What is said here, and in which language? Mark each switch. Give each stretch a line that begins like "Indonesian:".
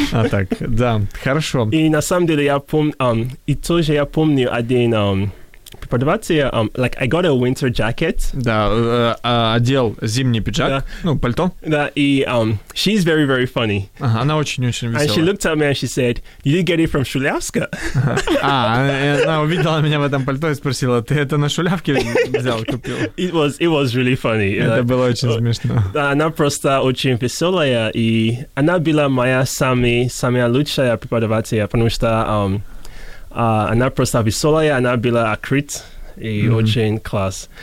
Russian: Так, да, хорошо. И на самом деле я помню, и тоже я помню один преподаватель,
English: like, I got a winter jacket.
Russian: Да, одел зимний пиджак, да. Ну, пальто. Да, и
English: she's very, very funny.
Russian: Ага, она очень-очень веселая.
English: And she looked at me and she said, you didn't get it from Шулявска?
Russian: Ага. Она увидела меня в этом пальто и спросила, ты это на Шулявке взял, купил?
English: It was really funny.
Russian: Это like, было очень смешно. Да, она просто очень веселая, и она была моя самая лучшая преподаватель, потому что... она просто веселая, она была открыт и очень класс.